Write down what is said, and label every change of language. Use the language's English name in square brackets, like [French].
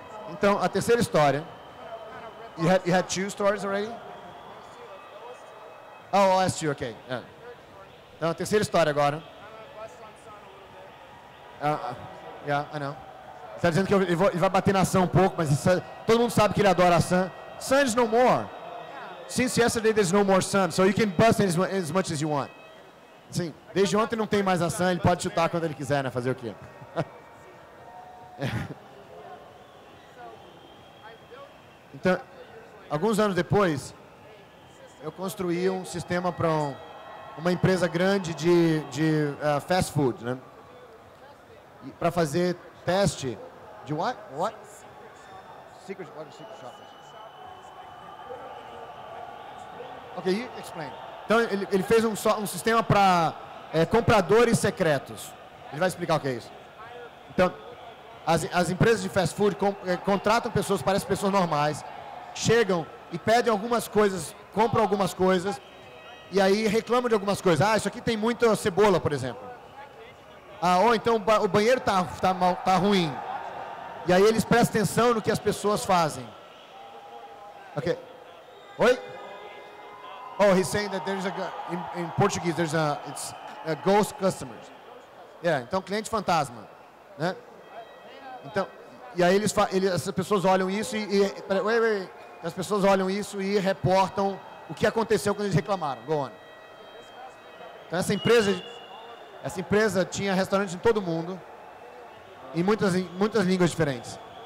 [Portuguese] Então, a terceira história. [English] You had two stories already? Oh, I asked you, okay. Yeah. [Portuguese] Então, a terceira história agora. [English] Yeah, I know. [Portuguese] Você está dizendo que ele vai bater na Sam um pouco, mas todo mundo sabe que ele adora a Sam. [English] Sam is no more. Since yesterday, there's no more Sam, so you can bust it as much as you want. [Portuguese] Sim, desde ontem não tem mais ação, ele pode chutar quando ele quiser, né? Fazer o quê? Então, alguns anos depois, eu construí um sistema para uma empresa grande de fast food, né? Para fazer teste de [English] what? Secret shop. What secret shop? Ok, you explain. [Portuguese] Então, ele fez um sistema para compradores secretos. Ele vai explicar o que é isso. Então, as empresas de fast food contratam pessoas, parecem pessoas normais, chegam e pedem algumas coisas, compram algumas coisas e aí reclamam de algumas coisas. Ah, isso aqui tem muita cebola, por exemplo. Ah, ou então o banheiro tá ruim. E aí eles prestam atenção no que as pessoas fazem. Ok. Oi? [English] Oh, he's saying that there's a, in Portuguese, there's a, it's a ghost customers. [Portuguese] Yeah, então cliente fantasma, né? Então, e aí as pessoas olham isso as pessoas olham isso e reportam o que aconteceu quando eles reclamaram. [English] Go on. [Portuguese] Então essa empresa tinha restaurantes em todo o mundo, em muitas línguas diferentes.